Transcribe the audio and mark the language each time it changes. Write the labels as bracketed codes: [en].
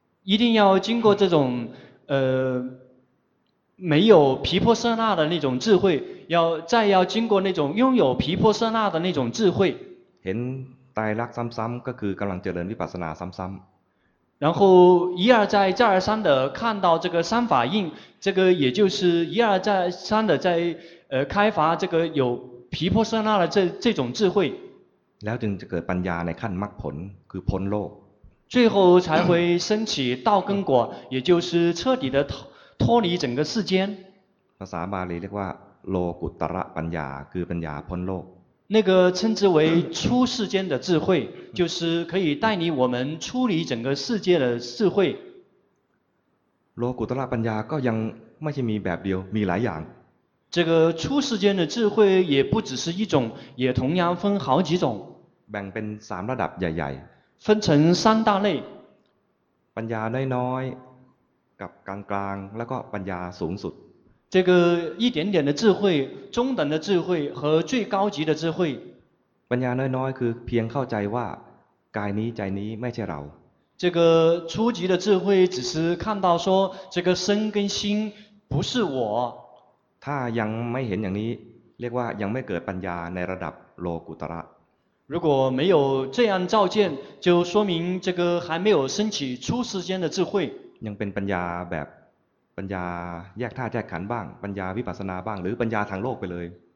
[zh] 一定要经过这种没有毗婆舍那的那种智慧要再要经过那种拥有毗婆舍那的那种智慧 [th] เห็นตายรักซ้ำๆก็คือกำลังเจริญวิปัสสนาซ้ำๆ [zh] 然后一而再再而三的看到这个三法印这个也就是一而再三的在开发这个有毗婆舍那的 这种智慧 [th] แล้วถึงจะเกิดปัญญาในขั้นมรรคผลคือพ้นโลก [zh] 最后才会升起道根果也就是彻底的脱离整个世间 [th] ภาษาบาลีเรียกว่าโลกุตระปัญญาคือปัญญาพ้นโลก [zh] 那个称之为出世间的智慧就是可以带领我们出离整个世界的智慧 [th] โลกุตระปัญญาก็ยังไม่ใช่มีแบบเดียวมีหลายอย่าง [zh] 这个出世间的智慧也不只是一种也同样分好几种 [th] แบ่งเป็น3ระดับใหญ่ [zh] ๆ分成三大类 [th] ปัญญาน้อยๆกับกลางๆแล้วก็ปัญญาสูงสุด [zh] 这个一点点的智慧中等的智慧和最高级的智慧 [th] ปัญญาน้อยๆคือเพียงเข้าใจว่ากายนี้ใจนี้ไม่ใช่เรา [zh] 这个初级的智慧只是看到说这个身跟心不是我 [th] ถ้ายังไม่เห็นอย่างนี้เรียกว่ายังไม่เกิดปัญญาในระดับโลกุตระ [zh] 如果没有这样照见就说明这个还没有升起初世间的智慧 [th] ยังเป็นปัญญาแบบปัญญาแยกธาตุแยกขันธ์บ้างปัญญาวิปัสสนาบ้างหรือปัญญาทางโลกไปเลย